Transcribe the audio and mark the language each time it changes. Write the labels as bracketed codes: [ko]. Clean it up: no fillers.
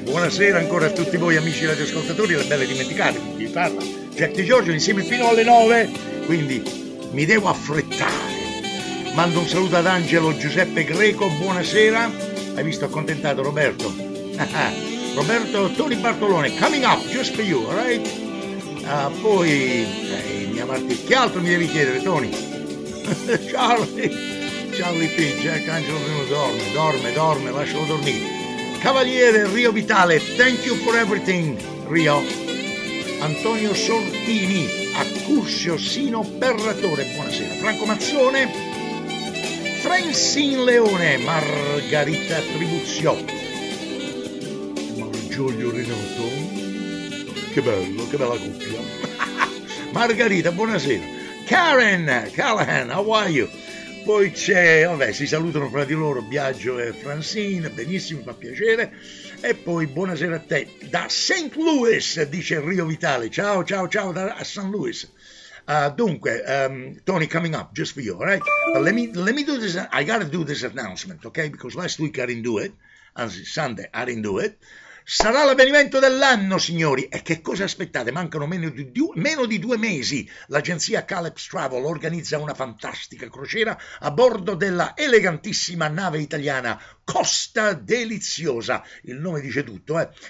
[it] Buonasera ancora a tutti voi amici radioascoltatori, le belle dimenticate, vi parla Jack Di Giorgio, insieme fino alle 9, quindi mi devo affrettare. Mando un saluto ad Angelo Giuseppe Greco, buonasera, hai visto, accontentato Roberto. [en] Roberto Toni Bartolone, coming up just for you, alright? [it] Poi mia Marti, che altro mi devi chiedere, Tony? Charlie P, Jack Angelo Primo, dorme, lascialo dormire. [en] Cavaliere Rio Vitale, thank you for everything, Rio. [it] Antonio Sortini, Accursio Sino Berratore, buonasera. Franco Mazzone, Francine Leone, Margarita Tribuzio. Giulio Renato, che bella coppia. [en] Margarita, buonasera. Karen Callahan, how are you? [it] Poi c'è, vabbè, si salutano fra di loro Biagio e Francine, benissimo, fa piacere. E poi buonasera a te da St. Louis, dice Rio Vitale, ciao da St. Louis. [en] Dunque, Tony, coming up just for you, all right? Let me do this, I gotta do this announcement, okay? Because last week I didn't do it, anzi Sunday I didn't do it. [it] Sarà l'avvenimento dell'anno, signori, e che cosa aspettate? Mancano meno di due mesi. L'agenzia Caleb's Travel organizza una fantastica crociera a bordo della elegantissima nave italiana Costa Deliziosa, il nome dice tutto, eh?